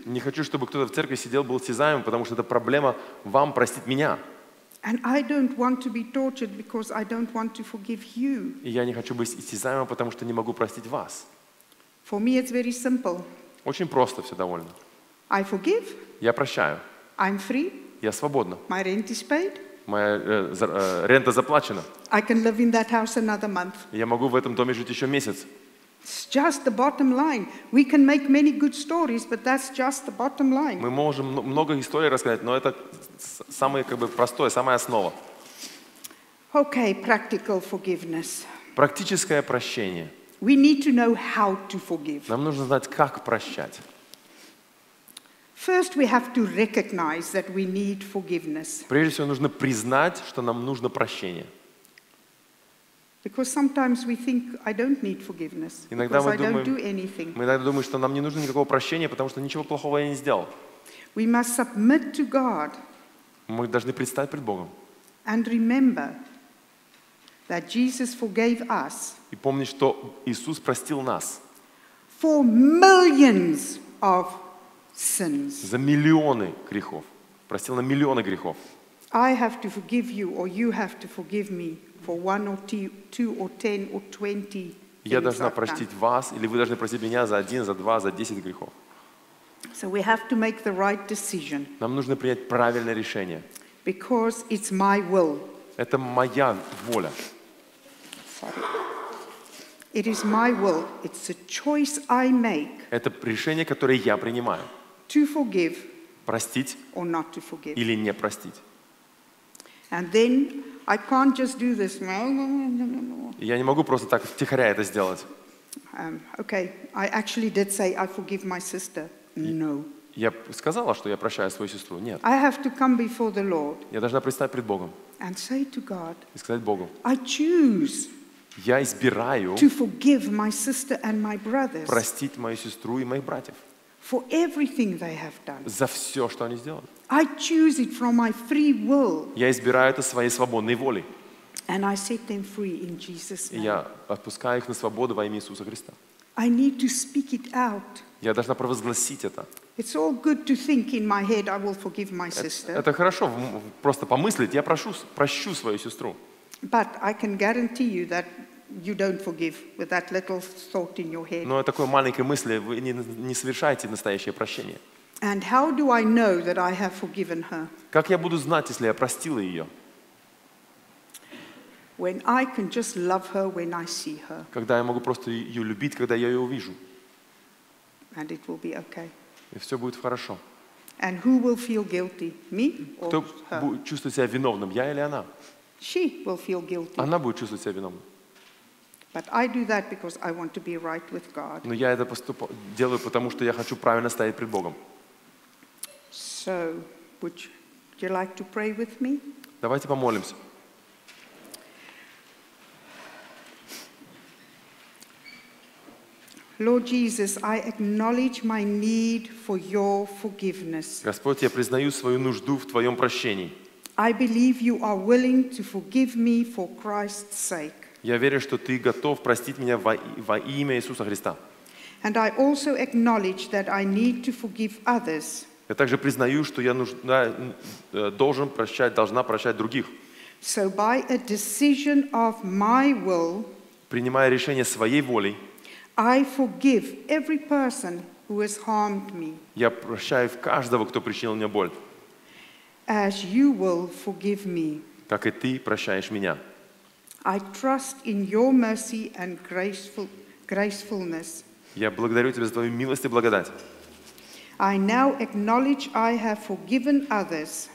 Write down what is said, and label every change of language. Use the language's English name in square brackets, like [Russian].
[Russian] Не хочу, чтобы кто-то в церкви сидел был истязаемым, потому что это проблема вам простить меня. [English] And I don't want to be tortured because I don't want to forgive you. [Russian] И я не хочу быть истязаемым, потому что не могу простить вас. [English] For me it's very simple. [Russian] Очень просто все довольно. [English] I forgive. [Russian] Я прощаю. [English] I'm free. [Russian] Я свободна. [English] My rent is paid. [Russian] Моя рента заплачена. [English] I can live in that house another month. [Russian] Я могу в этом доме жить еще месяц. [English] It's just the bottom line. We can make many good stories, but that's just the bottom line. [Russian] Мы можем много историй рассказать, но это самое как бы простое, самая основа. [English] Okay, practical forgiveness. [Russian] Практическое прощение. [English] We need to know how to forgive. [Russian] Нам нужно знать, как прощать. [English] First, we have to recognize that we need forgiveness. [Russian] Прежде всего нужно признать, что нам нужно прощение. [English] Because sometimes we think I don't need forgiveness. [Russian] Иногда [English] because [Russian] мы думаем, [English] I don't do anything. [Russian] Мы иногда думаем, что нам не нужно никакого прощения, потому что ничего плохого я не сделал. [English] We must submit to God. [Russian] Мы должны предстать пред Богом. [English] And remember that Jesus forgave us. [Russian] И помнить, что Иисус простил нас. [English] For millions of sins. [Russian] За миллионы грехов. Простил на миллионы грехов. [English] I have to forgive you or you have to forgive me for one or two or 10 or 20 sins. [Russian] Я должна простить вас или вы должны простить меня за один, за два, за 10 грехов. [English] So we have to make the right decision. [Russian] Нам нужно принять правильное решение. [English] Because it's my will. [Russian] Это моя воля. [English] Sorry. It is my will. It's a choice I make. [Russian] Это решение, которое я принимаю. [English] To forgive, [Russian] простить [English] or not to forgive. [Russian] Или не простить. [English] And then I can't just do this. No. [Russian] Я не могу просто так втихаря это сделать. [English] Okay, I actually did say I forgive my sister. No. [Russian] Я сказала, что я прощаю свою сестру. Нет. [English] I have to come before the Lord. [Russian] Я должна предстать пред Богом. [English] And say to God. [Russian] И сказать Богу. [English] I choose. [Russian] Я избираю. [English] To forgive my sister and my brothers. [Russian] Простить мою сестру и моих братьев. [English] For everything they have done. [Russian] За все, что они сделали. [English] I choose it from my free will. [Russian] Я избираю это своей свободной волей. [English] And I set them free in Jesus' name. [Russian] Я отпускаю их на свободу во имя Иисуса Христа. [English] I need to speak it out. [Russian] Я должна провозгласить это. [English] It's all good to think in my head I will forgive my sister. [Russian] Это хорошо просто помыслить. Я прощу свою сестру. [English] But I can guarantee you that you don't forgive with that little thought in your head. [Russian] Но такой маленькой мысли вы не совершаете настоящее прощение. [English] And how do I know that I have forgiven her? [Russian] Как я буду знать, если я простила ее? [English] When I can just love her when I see her. [Russian] Когда я могу просто ее любить, когда я ее увижу. [English] And it will be okay. [Russian] И все будет хорошо. [English] And who will feel guilty? Me or [Russian] Кто [English] her? [Russian] Будет чувствовать себя виновным, я или она? [English] She will feel guilty. [Russian] Она будет чувствовать себя виновной. [English] But I do that because I want to be right with God. [Russian] Но я это делаю потому что я хочу правильно стоять пред Богом. [English] So, would you like to pray with me? [Russian] Давайте помолимся. [English] Lord Jesus, I acknowledge my need for your forgiveness. [Russian] Господь, я признаю свою нужду в твоем прощении. [English] I believe you are willing to forgive me for Christ's sake. [Russian] Я верю, что ты готов простить меня во имя Иисуса Христа. [English] And I also acknowledge that I need to forgive others. [Russian] Я также признаю, что я должна прощать других. [English] So by a decision of my will, [Russian] принимая решение своей волей, [English] I forgive every person who has harmed me. [Russian] Я прощаю каждого, кто причинил мне боль. [English] As you will forgive me. [Russian] Как и ты прощаешь меня. [English] I trust in your mercy and gracefulness. [Russian] Я благодарю тебя за твою милость и благодать. [English] I now acknowledge I have forgiven others.